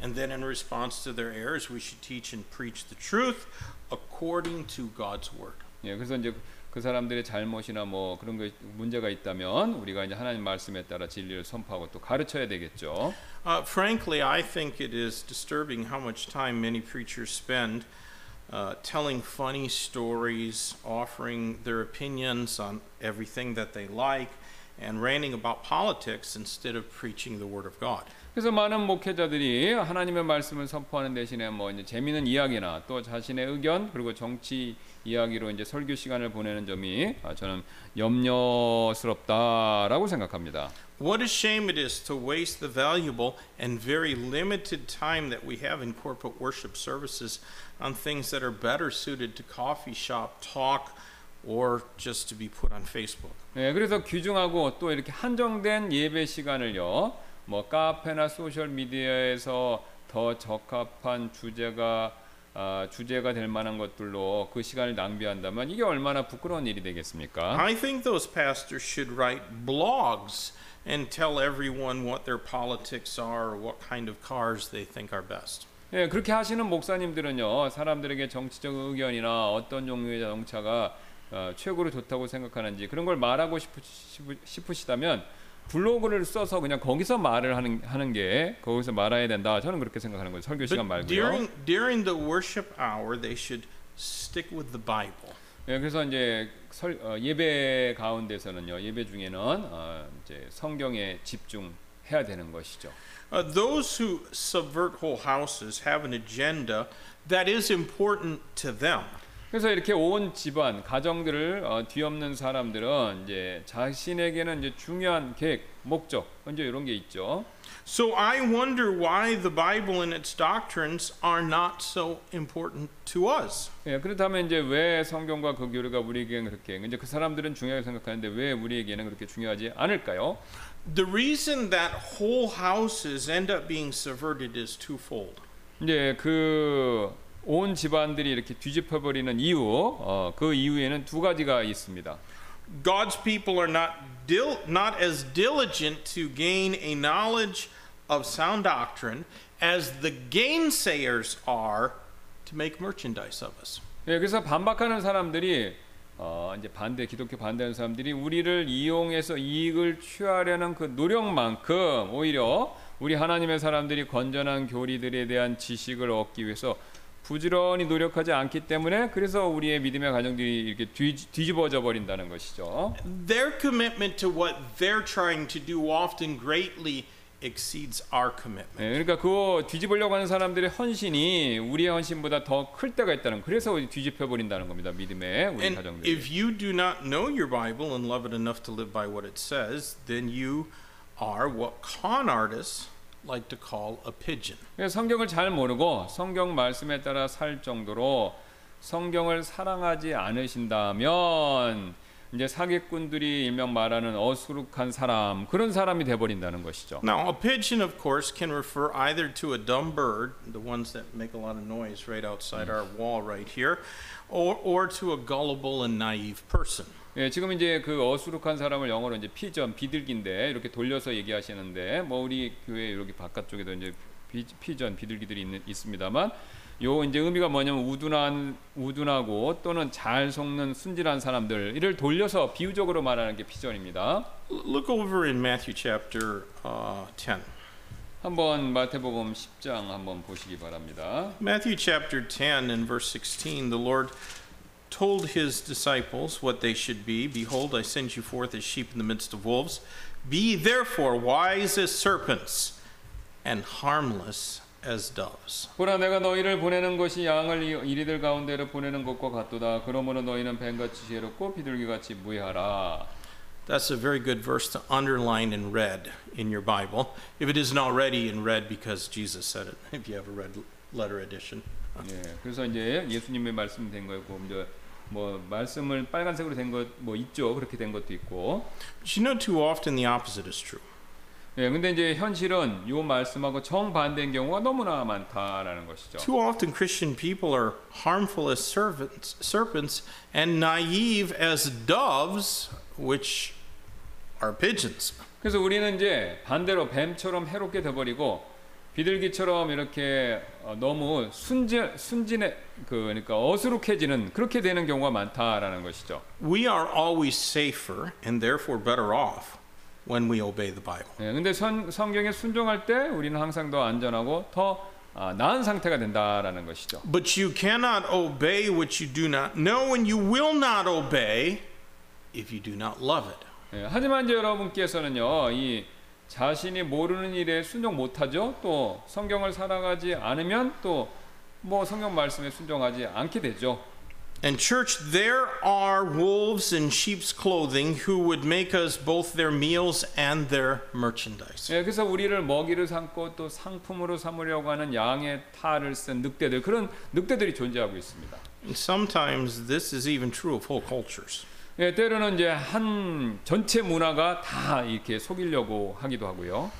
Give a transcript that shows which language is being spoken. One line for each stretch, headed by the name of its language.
English: And then in response to their errors, we should teach and preach the truth according to God's word.
Korean: 예, 그래서 이제 그 사람들의 잘못이나 뭐 그런 게 문제가 있다면 우리가 이제 하나님 말씀에 따라 진리를 선포하고 또 가르쳐야 되겠죠.
English: Frankly, I think it is disturbing how much time many preachers spend telling funny stories, offering their opinions on everything that they like, and ranting about politics instead of preaching the word of God.
Korean: 그래서 많은 목회자들이 하나님의 말씀을 선포하는 대신에 뭐 이제 재미있는 이야기나 또 자신의 의견 그리고 정치 이야기로 이제 설교 시간을 보내는 점이 저는 염려스럽다라고 생각합니다.
English: What a shame it is to waste the valuable and very limited time that we have in corporate worship services on things that are better suited to coffee shop talk or just to be put on Facebook.
Korean: 예, 그래서 귀중하고 또 이렇게 한정된 예배 시간을요. 뭐 카페나 소셜 미디어에서 더 적합한 주제가 될 만한 것들로 그 시간을 낭비한다면 이게 얼마나 부끄러운 일이 되겠습니까?
English: I think those pastors should write blogs and tell everyone what their politics are, what kind of cars they think are best.
Korean: 예, 그렇게 하시는 목사님들은요. 사람들에게 정치적 의견이나 어떤 종류의 자동차가 최고로 좋다고 생각하는지 그런 걸 말하고 싶으시다면 블로그를 써서 그냥 거기서 말을 하는 게 거기서 말아야 된다. 저는 그렇게 생각하는 거예요. 설교 시간 말고요.
English: During the worship hour, they should stick with the Bible.
Korean: 예, 그래서 이제 예배 가운데서는요, 예배 중에는 이제 성경에 집중해야 되는 것이죠.
English: Those who subvert whole houses have an agenda that is important to them.
Korean: 그래서 이렇게 온 집안 가정들을 뒤엎는 사람들은 이제 자신에게는 이제 중요한 계획 목적 이제 이런 게 있죠.
English: So I wonder why the Bible and its doctrines are not so important to us.
Korean: 예, 그렇다면 이제 왜 성경과 그 교리가 우리에게는 그렇게 이제 그 사람들은 중요하게 생각하는데 왜 우리에게는 그렇게 중요하지 않을까요?
English: The reason that whole houses end up being subverted is twofold.
Korean: 이제 그 온 집안들이 이렇게 뒤집혀 버리는 이유, 그 이유에는 두 가지가 있습니다.
English: God's people are not as diligent to gain a knowledge of sound doctrine as the gainsayers are to make merchandise of us.
Korean: 예, 그래서 반박하는 사람들이 이제 반대 기독교 반대하는 사람들이 우리를 이용해서 이익을 취하려는 그 노력만큼 오히려 우리 하나님의 사람들이 건전한 교리들에 대한 지식을 얻기 위해서 부지런히 노력하지 않기 때문에 그래서 우리의 믿음의 가정들이 이렇게 뒤집어져 버린다는 것이죠.
English: Their commitment to what they're trying to do often greatly exceeds our commitment.
Korean: 네, 그러니까 그 뒤집으려고 하는 사람들의 헌신이 우리의 헌신보다 더 클 때가 있다는 그래서 뒤집혀 버린다는 겁니다. 믿음의 우리
English: and
Korean: 가정들이.
English: If you do not know your Bible and love it enough to live by what it says, then you are what con artists like to call a pigeon.
Korean: 성경을 잘 모르고 성경 말씀에 따라 살 정도로 성경을 사랑하지 않으신다면 이제 사기꾼들이 일명 말하는 어수룩한 사람 그런 사람이 돼 버린다는 것이죠.
English: Now a pigeon of course can refer either to a dumb bird, the ones that make a lot of noise right outside our wall right here, or to a gullible and naive person.
Korean: 예, 지금 이제 그 어수룩한 사람을 영어로 이제 피전, 비둘기인데 이렇게 돌려서 얘기하시는데 뭐 우리 교회 여기 바깥쪽에도 이제 피전, 비둘기들이 있습니다만 요 이제 의미가 뭐냐면 우둔하고 또는 잘 속는 순진한 사람들 이를 돌려서 비유적으로 말하는 게 피전입니다.
English: Look over in Matthew chapter 10.
Korean: 한번 마태복음 10장 한번 보시기 바랍니다.
English: Matthew chapter 10 and verse 16, the Lord told his disciples what they should be. Behold, I send you forth as sheep in the midst of wolves. Be therefore wise as serpents and harmless as doves.
Korean: 보라, 내가 너희를 보내는 것이 양을 이리들 가운데로 보내는 것과 같도다. 그러므로 너희는 뱀같이 지혜롭고 비둘기같이 무해하라.
English: That's a very good verse to underline in red in your Bible. If it isn't already in red because Jesus said it, if you have a red letter edition.
Korean: 예, 그래서 이제 예수님의 말씀이 된 거고 이제 뭐 말씀을 빨간색으로 된 거 뭐 있죠. 그렇게 된 것도 있고.
English: But you know too often the opposite is true.
Korean: 예, 근데 이제 현실은 이 말씀하고 정반대인 경우가 너무나 많다라는 것이죠.
English: Too often Christian people are harmful as serpents and naive as doves, which are pigeons.
Korean: 그래서 우리는 이제 반대로 뱀처럼 해롭게 돼 버리고 비둘기처럼 이렇게 너무 순진해 그러니까 어수룩해지는 그렇게 되는 경우가 많다라는 것이죠.
English: We are always safer and therefore better off when we obey the Bible.
Korean: 예, 근데 성경에 순종할 때 우리는 항상 더 안전하고 더 나은 상태가 된다라는 것이죠.
English: But you cannot obey what you do not know and you will not obey if you do not love it.
Korean: 예, 하지만 이제 여러분께서는요. 이 자신이 모르는 일에 순종 못하죠. 또 성경을 사랑하지 않으면 또 뭐 성경 말씀에 순종하지 않게 되죠.
English: And church, there are wolves in sheep's clothing who would make us both their meals and their merchandise.
Korean: 예, 그래서 우리를 먹이를 삼고 또 상품으로 삼으려고 하는 양의 탈을 쓴 늑대들 그런 늑대들이 존재하고 있습니다.
English: And sometimes this is even true of whole cultures.
Korean: 예, 때로는 이제 한 전체 문화가 다 이렇게 속이려고 하기도 하고요.